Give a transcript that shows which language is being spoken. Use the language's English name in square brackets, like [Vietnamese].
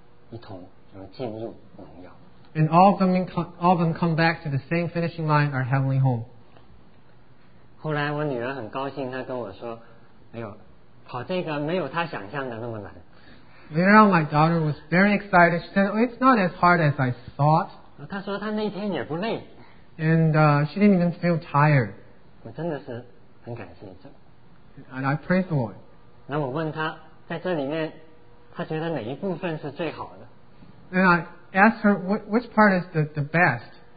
[Chinese] 然后一同也是回到天家，一同进入荣耀。 [English] And all of them come back to the same finishing line, our heavenly home. [Chinese] 后来我女儿很高兴，她跟我说，没有，跑这个没有她想象的那么难。 [English] Later on, my daughter was very excited. She said, "It's not as hard as I thought." [Chinese] 她说她那天也不累。 [English] And she didn't even feel tired. [Chinese] 我真的是很感谢主。 [English] And I praise the Lord. [Chinese] 那我问他，在这里面，他觉得哪一部分是最好的？ [English] And I asked her which part is the best.